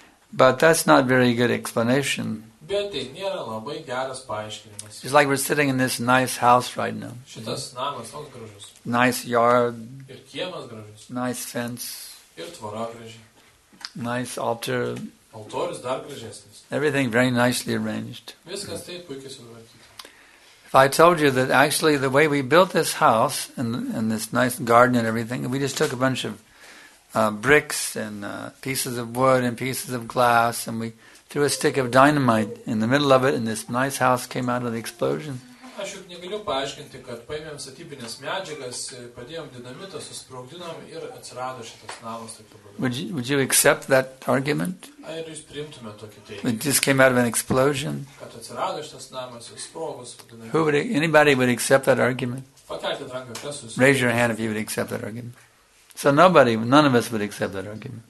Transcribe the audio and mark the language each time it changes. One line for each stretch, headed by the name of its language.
English: But that's not a very good explanation.
Lithuanian: Bet tai nėra labai geras paaiškinimas.
English: It's like we're sitting in this nice house right now.
Lithuanian: Šitas namas toks gražus.
English: Nice yard.
Lithuanian: Ir kiemas gražus.
English: Nice fence.
Lithuanian: Ir tvora graži.
English: Nice altar.
Lithuanian: Altoris dar gražesnis.
English: Everything very nicely arranged.
Lithuanian: Viskas taip puikiai sutvarkyta.
English: If I told you that actually the way we built this house and this nice garden and everything, we just took a bunch of bricks and pieces of wood and pieces of glass and we threw a stick of dynamite in the middle of it and this nice house came out of the explosion.
Lithuanian: Aš juk negaliu paaiškinti, kad paėmėm statybinės medžiagas, padėjom dinamitą, susprogdinom ir atsirado šitas namas.
English: Would you accept that argument?
Lithuanian: Ar jūs priimtume tokį teiginį?
English: It just came out of an explosion.
Lithuanian: Kad atsirado šitas namas, susprogus dinamitas.
English: Anybody would accept that argument?
Lithuanian: Pakelkit ranką, kas susprogdino.
English: Raise your hand if you would accept that argument. So nobody, none of us would accept that argument.